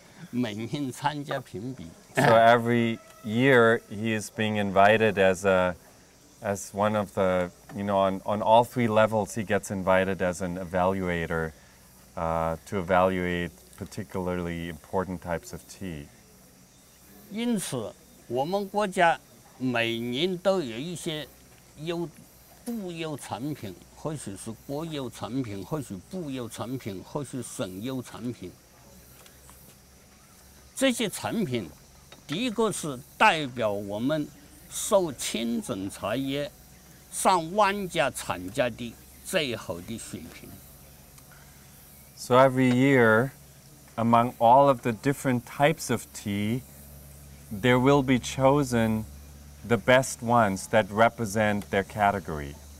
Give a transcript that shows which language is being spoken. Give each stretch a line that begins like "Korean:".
Chinese: 我有幸成为国家的农业部、商业部、外贸部三个部的评委，每年参加评比。
English: So every year, he is being invited as one of the, you know, on all three levels, he gets invited as an evaluator to evaluate particularly important types of tea.
Chinese: 因此，我们国家每年都有一些部优产品，或许是国优产品，或许部优产品，或许省优产品。这些产品。第一个是代表我们受清整茶叶上万家产家的最好的水平。
English: So every year, among all of the different types of tea, there will be chosen the best ones that represent their category.